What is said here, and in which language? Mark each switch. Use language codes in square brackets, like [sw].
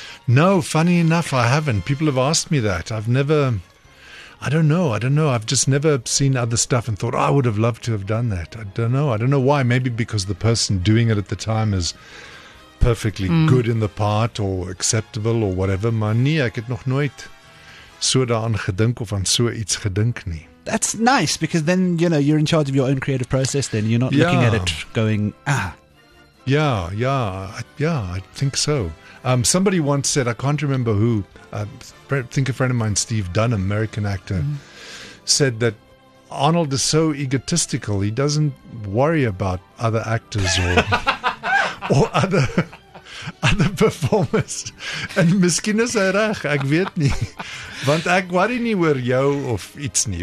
[en] No, funny enough, I haven't. People have asked me that. I don't know. I've just never seen other stuff and thought, oh, I would have loved to have done that. I don't know why. Maybe because the person doing it at the time is perfectly good in the part or acceptable or whatever. [af] Maar nee, ek het nog nooit so daaraan gedink of aan so iets gedink nie. [en] That's nice because then, you know, you're in charge of your own creative process then. You're not looking at it going, ah. Yeah, I think so. Somebody once said, I can't remember who, I think a friend of mine, Steve Dunn, American actor, said that Arnold is so egotistical, he doesn't worry about other actors or other performers. [af] And miskien is hy reg, ek weet nie. Want ek worry nie oor jou of iets nie.